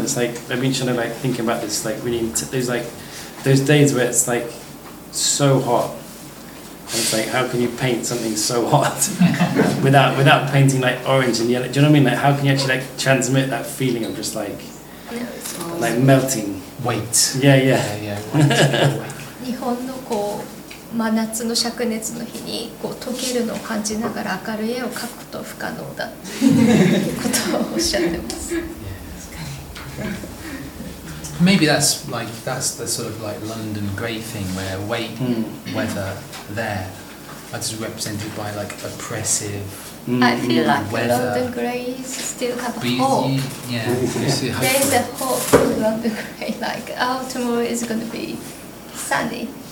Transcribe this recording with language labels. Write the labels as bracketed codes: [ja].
[en] It's like I've been trying to like think about this like really. There's like those days where it's like so hot. And it's like, how can you paint something so hot without painting like orange and yellow? Do you know what I mean? Like, how can you actually like transmit that feeling of just like, no, like melting weight? Yeah. [ja] 日本のこう真夏の灼熱の日にこう溶けるのを感じながら明るい絵を描くと不可能だことをおっしゃってます。 [en] Maybe that's the sort of like London grey thing where weight weather there that's represented by like oppressive weather. I feel like London greys still have hope. There's a hope for London grey, like, oh, tomorrow is going to be sunny.